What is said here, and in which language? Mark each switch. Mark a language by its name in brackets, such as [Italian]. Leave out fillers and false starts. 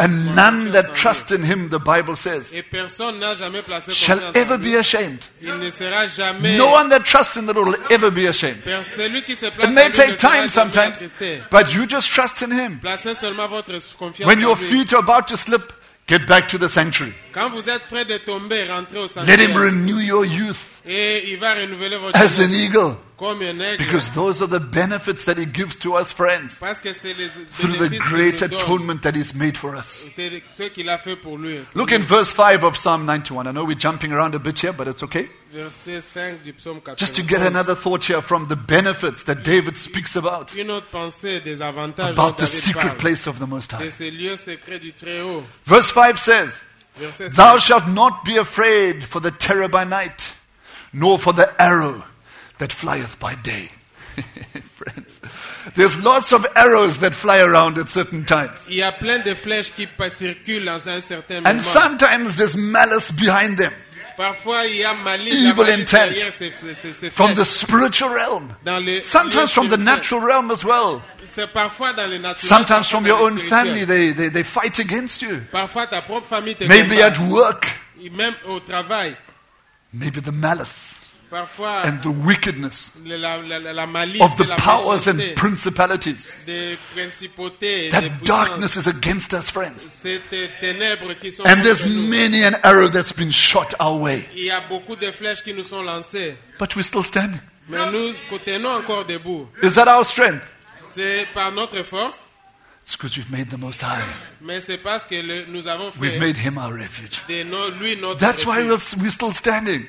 [English] and none that trust in him, the Bible says, [French] et personne n'a jamais placé [English] shall ever be ashamed. [French] Il ne sera jamais [English] no one that trusts in the Lord will ever be ashamed. [French] Celui qui se place [English] it may take time sometimes, but you just trust in him. [French] Placez seulement votre confiance [English] when your feet are about to slip, get back to the sanctuary. [French] Quand vous êtes prêt de tomber, rentrez au sanctuaire. [English] Let him renew your youth [French] et il va renouveler votre [English] as an eagle. [French] Comme un aigle. [English] Because those are the benefits that he gives to us, friends. [French] Parce que c'est les [English] through the great atonement that he's made for us. [French] C'est ce qu'il a fait pour lui. [English] Look [French] lui. [English] In verse 5 of Psalm 91. I know we're jumping around a bit here, but it's okay. [French] Verset 5 du psaume 91. [English] Just to get another thought here from the benefits that David speaks about. [French] Une autre pensée des avantages [English] about the secret [French] parle. [English] Place of the Most High. [French] De ces lieux secrets du Très-Haut. [English] Verse 5 says, [French] verset 5. [English] Thou shalt not be afraid for the terror by night, nor for the arrow that flieth by day. Friends. There's lots of arrows that fly around at certain times. [French] Il y a plein de flèches qui circulent dans un certain [English] moment. And sometimes there's malice behind them. [French] Parfois, il y a malice [English] evil intent [French] ces [English] from the spiritual realm. [French] Dans le, [English] sometimes from the natural realm as well. [French] C'est parfois dans le naturel, [English] sometimes from your own family, they fight against you. [French] Parfois, ta propre famille te [English] maybe [French] combat. [English] At work. [French] Même au travail. [English] Maybe the malice [French] parfois, [English] and the wickedness [French] la malice [English] of the [French] la [English] powers and principalities. That [French] des [English] darkness is against us, friends. [French] Ténèbres qui sont [English] and there's many an arrow that's been shot our way. [French] Il y a beaucoup de flèches qui nous sont lancées. [English] But we're still standing. [French] Mais nous tenons encore debout. [English] Is that our strength? [French] C'est par notre force. [English] It's because we've made the Most High. [French] Mais c'est parce que nous avons fait [English] we've made Him our refuge. [French] Lui notre [English] that's [French] refuge. [English] Why we're still standing.